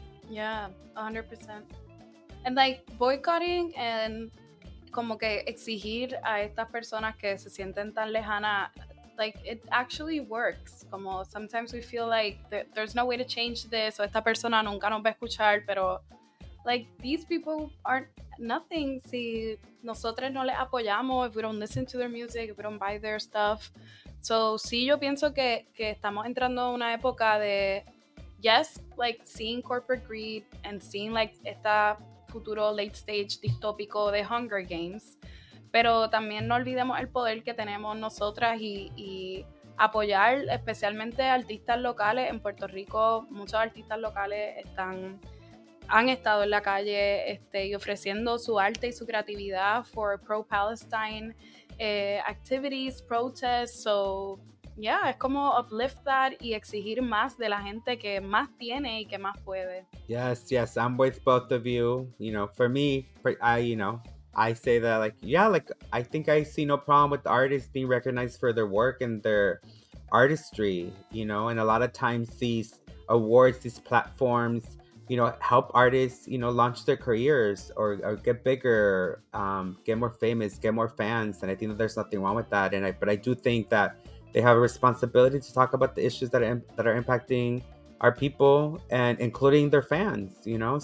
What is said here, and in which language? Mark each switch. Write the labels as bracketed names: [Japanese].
[English] Yeah, 100%. And like boycotting and [Spanish] como que exigir a estas personas que se sienten tan lejana, [English] like it actually works. Como sometimes we feel like there's no way to change this, [Spanish] o esta persona nunca nos va a escuchar, pero [English] like these people aren't nothing [Spanish] si nosotros no les apoyamos, [English] if we don't listen to their music, if we don't buy their stuff. [Spanish] So sí, yo pienso que estamos entrando a una época de, [English] yes, like seeing corporate greed and seeing like [Spanish] esta futuro late stage distópico de Hunger Games, pero también no olvidemos el poder que tenemos nosotras y apoyar especialmente artistas locales en Puerto Rico. Muchos artistas locales han estado en la calle y ofreciendo su arte y su creatividad [English] for pro-Palestine activities, protests, so yeah, [Spanish] es como [English] uplift that [Spanish] y exigir más de la gente que más tiene y que más puede. [English] Yes, I'm with both of you. You know, for me, I say that, like, yeah, like, I think I see no problem with artists being recognized for their work and their artistry, you know, and a lot of times these awards, these platforms, you know, help artists, you know, launch their careers or get bigger, get more famous, get more fans, and I think that there's nothing wrong with that, but I do think that they have a responsibility to talk about the issues that are impacting our people and including their fans, you know?